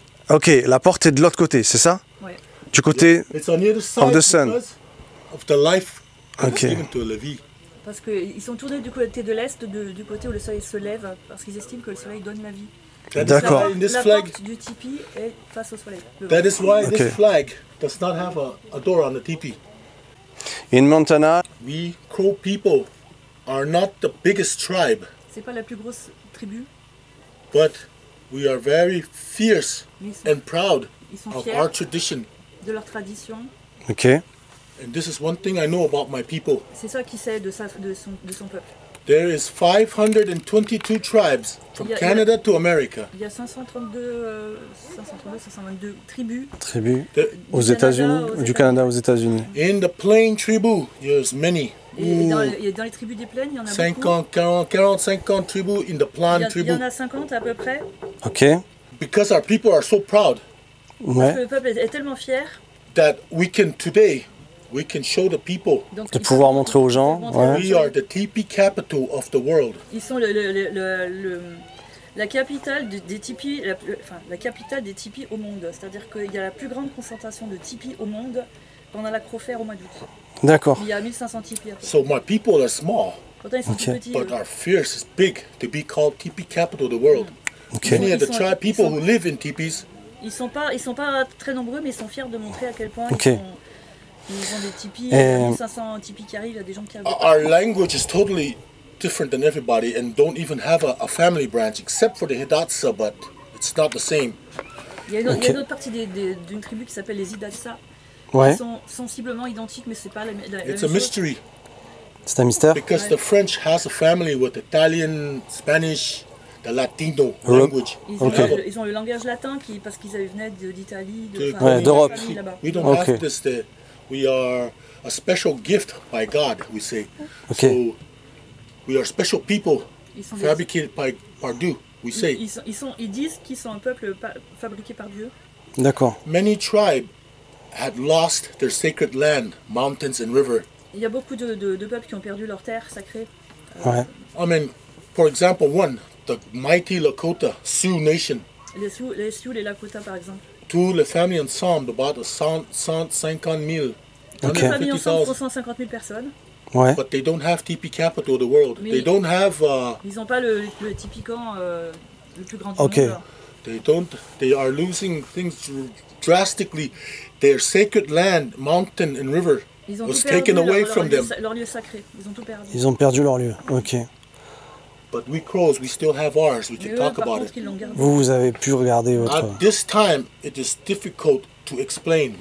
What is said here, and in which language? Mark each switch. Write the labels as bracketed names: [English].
[French] Ok, la porte est de l'autre côté, c'est ça? Ouais. Du côté [English] it's on the other side of the sun. Of the life okay. given to Levi. [French] Parce qu'ils sont tournés du côté de l'est, du côté où le soleil se lève, parce qu'ils estiment que le soleil donne la vie. D'accord. La porte [English] flag, [French] du tipi est face au soleil. [English] That is why okay. this flag does not have a door on the tipi. In Montana, we Crow people are not the biggest tribe. [French] C'est pas la plus grosse tribu. [English] But we are very fierce and proud of our tradition. [French] De leur tradition. [English] Okay. And this is one thing I know about my people. [French] C'est ça qu'il sait de son peuple. [English] There is 522 tribes from Canada to America. [French] Il y a 522 tribus. Tribus aux États-Unis, du Canada aux États-Unis. [English] In the plain tribu, there's many. [French] Et dans les tribus des plaines, il y en a [English] 40-50 tribus in the plain tribu. [French] Il y en a 50 à peu près. [English] Okay. Because our people are so proud. [French] Ouais. Parce que le peuple est tellement fier. [English] That we can today. We can show the people. [French] Donc, de pouvoir montrer aux gens. Ouais. [English] We are the tipi capital of the world. [French] Ils sont la capitale des tipis, la capitale des tipis au monde. C'est-à-dire qu'il y a la plus grande concentration de tipis au monde pendant la crofaire au mois d'août. D'accord. Il y a 1500 tipis. [English] So my people are small. [French] Pourtant, ils sont okay. petits. [English] But our fierce is big to be called tipi capital of the world. Okay. Many of the tribe people who live in tipis. [French] Ils sont pas très nombreux, mais ils sont fiers de montrer à quel point okay. ils sont. Ils ont des tipis, 500 tipis qui arrivent, il y a des gens qui arrivent. [English] Our language is totally different than everybody and don't even have a family branch except for the Hidatsa, but it's not the same. [French] Il y a une autre partie d'une tribu qui s'appelle les Hidatsa. Ouais. Ils sont sensiblement identiques, mais c'est pas la [English] it's [French] même [English] it's a mystery. [French] C'est un mystère. [English] Because ouais. the French has a family with Italian, Spanish, the Latino language. [French] Ils ont le langage latin qui parce qu'ils venaient d'Italie, d'Europe. [English] We don't have this there. We are a special gift by God, we say. Okay. So, we are special people fabricated by Dieu, we say. [French] Ils disent qu'ils sont un peuple fabriqué par Dieu. D'accord. [English] Many tribes had lost their sacred land, mountains and river. [French] Il y a beaucoup de peuples qui ont perdu leur terre sacrée. Ouais. [English] I mean, for example, one, the mighty Lakota Sioux nation. [French] Les Sioux, les Lakota, par exemple. Tous les familles ensemble, [English] about 150 000. [French] Okay. Les familles ensemble font 150 000 personnes. Ouais. [English] But they don't have tipi capital of the world. [French] Mais [English] they don't have. [French] Ils n'ont pas le tipi camp le plus grand du okay. monde. [English] They don't. They are losing things drastically. Their sacred land, mountain and river, was taken away from them. [French] Leur lieu sacré. Ils ont tout perdu. Ils ont perdu leur lieu. Ok. [English] But we crows, we still have ours. We can talk about it. [French] Vous avez pu regarder votre. [English] At this time, it is difficult to explain.